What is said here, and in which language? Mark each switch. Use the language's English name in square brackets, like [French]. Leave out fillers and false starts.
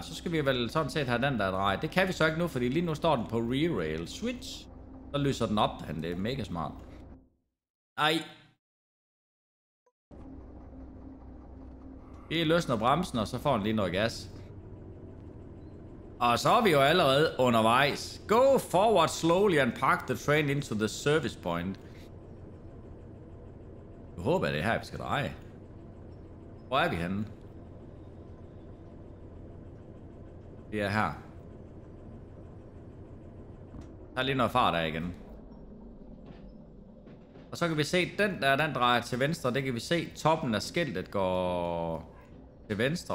[Danish] Så skal vi vel sådan set have den der drej. Det kan vi så ikke nu, fordi lige nu står den på re-rail switch. Så lyser den op, han. Det er mega smart. Ej. Vi løsner bremsen, og så får den lige noget gas. Og så er vi jo allerede undervejs. [English] Go forward slowly and park the train into the service point. [Danish] Jeg håber, at det er her, vi skal dreje. Hvor er vi henne? Vi er her. Der er lige noget fart af igen. Og så kan vi se, den der den drejer til venstre. Det kan vi se, toppen af skiltet går til venstre.